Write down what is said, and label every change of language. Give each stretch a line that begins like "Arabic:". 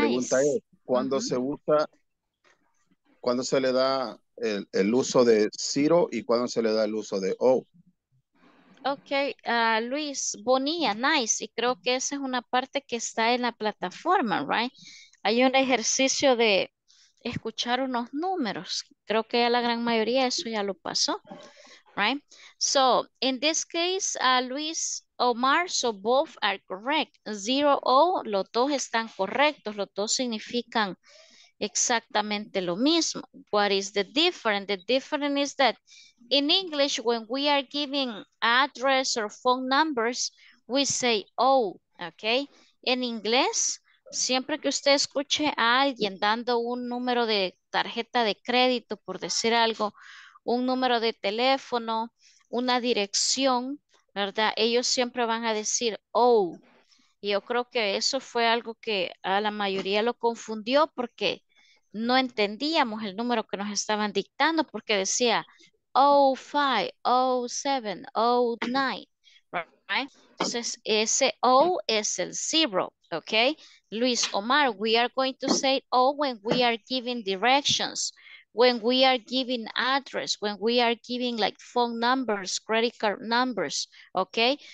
Spanish: Pregunta es, ¿cuándo se usa... ¿Cuándo se le da el uso de zero y cuándo se le da el uso de o?
English: Ok, Luis Bonilla, nice.
Spanish: Y creo que esa es una parte que está en la plataforma, right? Hay un ejercicio de escuchar unos números. Creo que ya la gran mayoría de eso ya lo pasó, right?
English: So, in this case, Luis Omar, so both are correct.
Spanish: Zero, o, los dos están correctos. Los dos significan exactamente lo mismo.
English: What is the difference? The difference is that in English, when we are giving address or phone numbers, we say oh, okay?
Spanish: En inglés, siempre que usted escuche a alguien dando un número de tarjeta de crédito, por decir algo, un número de teléfono, una dirección, ¿verdad? Ellos siempre van a decir oh. Y yo creo que eso fue algo que a la mayoría lo confundió porque no entendíamos el número que nos estaban dictando porque decía 05, 07, 09, right? Entonces ese O es el zero, ¿ok?
English: Luis Omar, we are going to say O when we are giving directions, when we are giving address, when we are giving like phone numbers, credit card numbers, ¿ok?